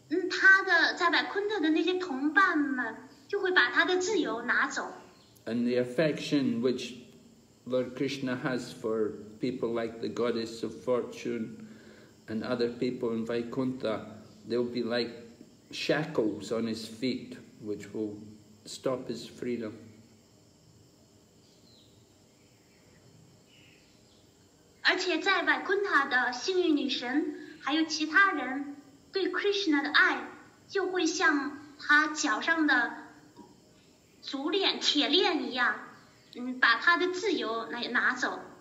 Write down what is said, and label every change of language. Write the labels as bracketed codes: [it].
[zh] 他的在百昆特的那些同伴们就会把他的自由拿走。 [en] And the affection which Lord Krishna has for people like the goddess of fortune and other people in Vaikuntha, they'll be like shackles on his feet, which will stop his freedom. [zh] 而且在百昆特的幸运女神还有其他人。对 Krishna 的爱就会像他脚上的足链铁链一样把他的自由来拿走。